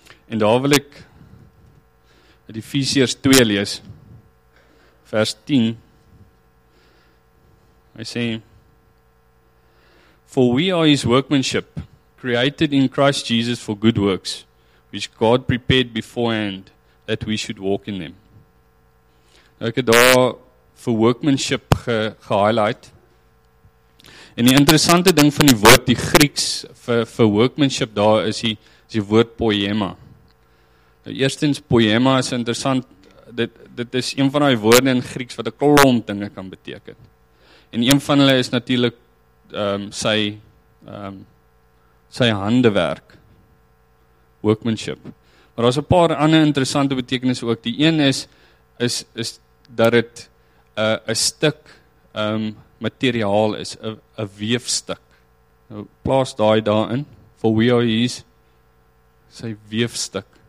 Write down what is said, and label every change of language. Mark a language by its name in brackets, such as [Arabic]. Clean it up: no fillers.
[Afrikaans] En daar wil ek uit Efesiërs 2 lees, vers 10. Hy sê, [English] "For we are his workmanship, created in Christ Jesus for good works, which God prepared beforehand, that we should walk in them." [Afrikaans] Ek het daar vir workmanship ge-highlight. En die interessante ding van die woord, die Grieks, vir workmanship daar is, is die woord poema. Nou, eerstens, poema is interessant, dit is een van die woorde in Grieks wat 'n klomp dinge kan beteken. En een van hulle is natuurlik sy handewerk, workmanship. Maar daar is 'n paar ander interessante betekenisse ook. Die een is dat dit 'n stuk materiaal is, 'n weefstuk. Nou, plaas daai daarin, [English] for we are his, [Afrikaans] sy weefstuk.